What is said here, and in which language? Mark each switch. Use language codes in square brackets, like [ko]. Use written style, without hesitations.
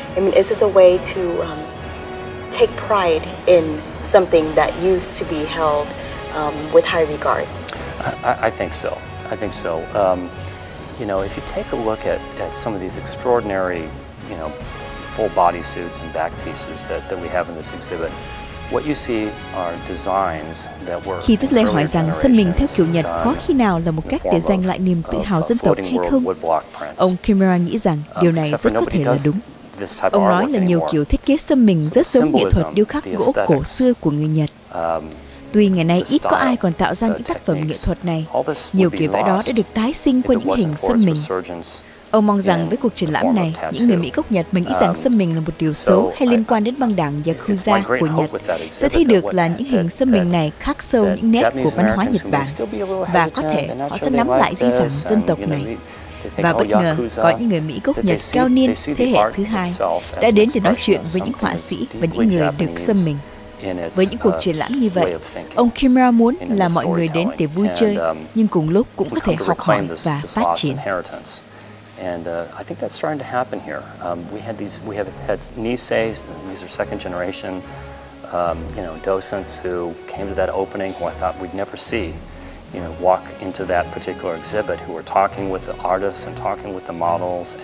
[en] I mean, is this a way to take pride in something that used to be held with high regard? I think so. You know, if you take a look at some of these extraordinary, you know, full body suits and back pieces that we have in this exhibit, what you see are designs that were. [vi] Khi tôi lại hỏi rằng xăm mình theo kiểu Nhật có khi nào là một cách để giành lại niềm tự hào dân tộc hay không, ông Kimura nghĩ rằng điều này rất có thể là đúng. Ông nói là nhiều kiểu thiết kế xăm mình rất giống nghệ thuật điêu khắc gỗ cổ xưa của người Nhật. Tuy ngày nay ít có ai còn tạo ra những tác phẩm nghệ thuật này, nhiều kiểu vẽ đó đã được tái sinh qua những hình xăm mình. Ông mong rằng với cuộc triển lãm này, những người Mỹ gốc Nhật mà nghĩ rằng xăm mình là một điều xấu hay liên quan đến băng đảng Yakuza của Nhật sẽ thấy được là những hình xăm mình này khắc sâu những nét của văn hóa Nhật Bản và có thể họ sẽ nắm lại di sản dân tộc này. Và bất ngờ, có những người Mỹ gốc Nhật cao niên thế hệ thứ hai đã đến để nói chuyện với những họa sĩ và những người được xăm mình. Với những cuộc triển lãm như vậy, ông Kimura muốn là mọi người đến để vui chơi, nhưng cùng lúc cũng có thể học hỏi và phát triển. [en] And I think that's starting to happen here. We have had Nisei, these are second generation, docents who came to that opening who I thought we'd never see, you know, walk into that particular exhibit, who were talking with the artists and talking with the models.